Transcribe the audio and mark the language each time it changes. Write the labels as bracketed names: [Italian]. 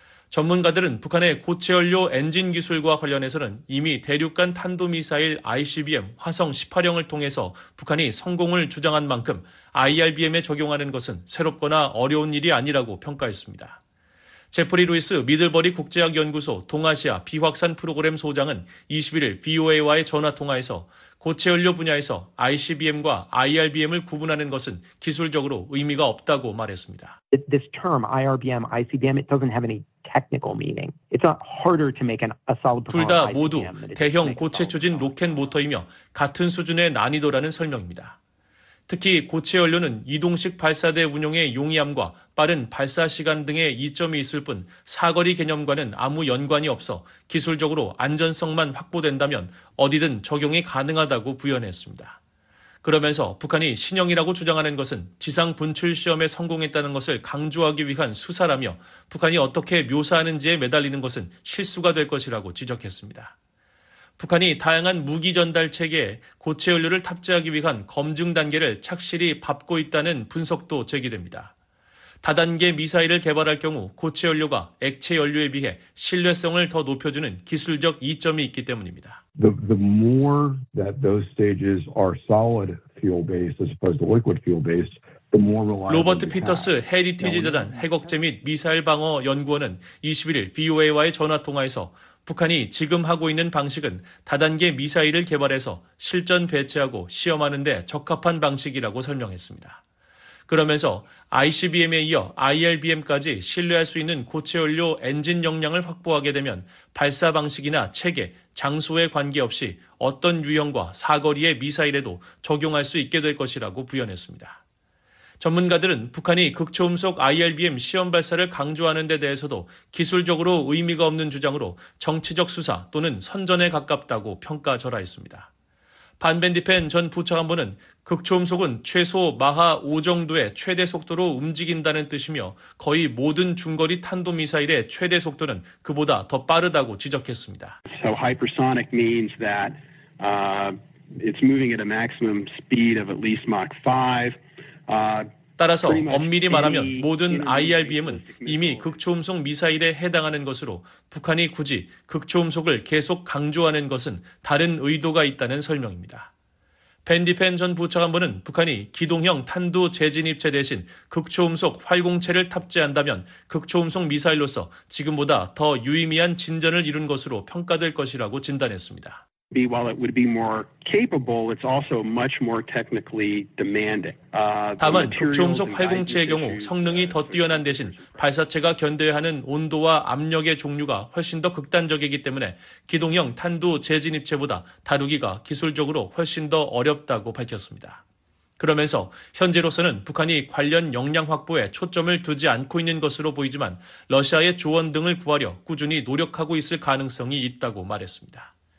[Korean] 전문가들은 북한의 고체연료 엔진 기술과 관련해서는 이미 대륙간 탄도미사일 ICBM 화성 18형을 통해서 북한이 성공을 주장한 만큼 IRBM에 적용하는 것은 새롭거나 어려운 일이 아니라고 평가했습니다. 제프리 루이스 미들버리 국제학연구소 동아시아 비확산 프로그램 소장은 21일 VOA와의 전화통화에서 고체연료 분야에서 ICBM과 IRBM을 구분하는 것은 기술적으로 의미가 없다고 말했습니다. [English] This term IRBM, ICBM, it doesn't have any technical meaning. It's not harder to make a solid. [Korean] 둘 다 모두 대형 고체 추진 로켓 모터이며 같은 수준의 난이도라는 설명입니다. 특히 고체연료는 이동식 발사대 운용의 용이함과 빠른 발사 시간 등의 이점이 있을 뿐 사거리 개념과는 아무 연관이 없어 기술적으로 안전성만 확보된다면 어디든 적용이 가능하다고 부연했습니다. 그러면서 북한이 신형이라고 주장하는 것은 지상 분출 시험에 성공했다는 것을 강조하기 위한 수사라며 북한이 어떻게 묘사하는지에 매달리는 것은 실수가 될 것이라고 지적했습니다. 북한이 다양한 무기 전달 체계에 고체 연료를 탑재하기 위한 검증 단계를 착실히 밟고 있다는 분석도 제기됩니다. 다단계 미사일을 개발할 경우 고체 연료가 액체 연료에 비해 신뢰성을 더 높여주는 기술적 이점이 있기 때문입니다. [English] The more that those stages are solid fuel based as opposed to liquid fuel based. [Korean] 로버트 피터스 헤리티지 재단 핵억제 및 미사일 방어 연구원은 21일 VOA와의 전화통화에서 북한이 지금 하고 있는 방식은 다단계 미사일을 개발해서 실전 배치하고 시험하는 데 적합한 방식이라고 설명했습니다. 그러면서 ICBM에 이어 IRBM까지 신뢰할 수 있는 고체연료 엔진 역량을 확보하게 되면 발사 방식이나 체계, 장소에 관계없이 어떤 유형과 사거리의 미사일에도 적용할 수 있게 될 것이라고 부연했습니다. 전문가들은 북한이 극초음속 IRBM 시험 발사를 강조하는 데 대해서도 기술적으로 의미가 없는 주장으로 정치적 수사 또는 선전에 가깝다고 평가절하했습니다. 반 벤디펜 전 부차관보는 극초음속은 최소 마하 5 정도의 최대 속도로 움직인다는 뜻이며 거의 모든 중거리 탄도미사일의 최대 속도는 그보다 더 빠르다고 지적했습니다. [English] So hypersonic means that it's moving at a maximum speed of at least Mach 5. [Korean] 따라서 엄밀히 말하면 모든 IRBM은 이미 극초음속 미사일에 해당하는 것으로 북한이 굳이 극초음속을 계속 강조하는 것은 다른 의도가 있다는 설명입니다. 벤디펜 전 부차관보는 북한이 기동형 탄도 재진입체 대신 극초음속 활공체를 탑재한다면 극초음속 미사일로서 지금보다 더 유의미한 진전을 이룬 것으로 평가될 것이라고 진단했습니다. [English] While it would be more capable, it's also much more technically demanding. [Korean] 다만 극초음속 활공체의 경우 성능이 더 뛰어난 대신 발사체가 견뎌야 하는 온도와 압력의 종류가 훨씬 더 극단적이기 때문에 기동형 탄도 재진입체보다 다루기가 기술적으로 훨씬 더 어렵다고 밝혔습니다. 그러면서 현재로서는 북한이 관련 역량 확보에 초점을 두지 않고 있는 것으로 보이지만 러시아의 조언 등을 구하려 꾸준히 노력하고 있을 가능성이 있다고 말했습니다.